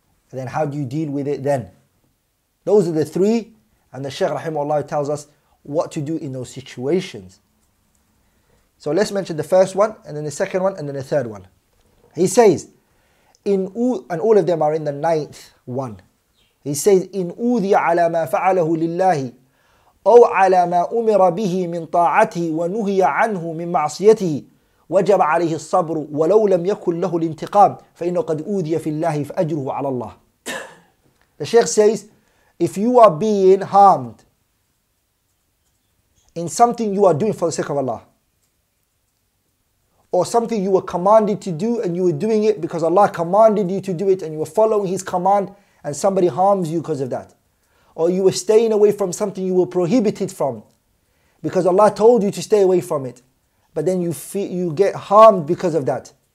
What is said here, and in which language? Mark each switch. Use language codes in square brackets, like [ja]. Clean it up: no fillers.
[en] And then how do you deal with it then? Those are the three, and the Shaykh rahimahullah tells us what to do in those situations. So let's mention the first one, and then the second one, and then the third one. He says, and all of them are in the ninth one. He says, [ar] in udhiya ala ma fa'alahu lillahi, أو على ما أمر به من طاعته ونهي عنه من معصيته وجب عليه الصبر ولو لم يكن له الانتقام فإنه قد أوذي في الله فأجره على الله. [en] The Shaykh says, if you are being harmed in something you are doing for the sake of Allah, or something you were commanded to do and you were doing it because Allah commanded you to do it and you were following His command, and somebody harms you because of that, or you were staying away from something you were prohibited from because Allah told you to stay away from it, but then you get harmed because of that.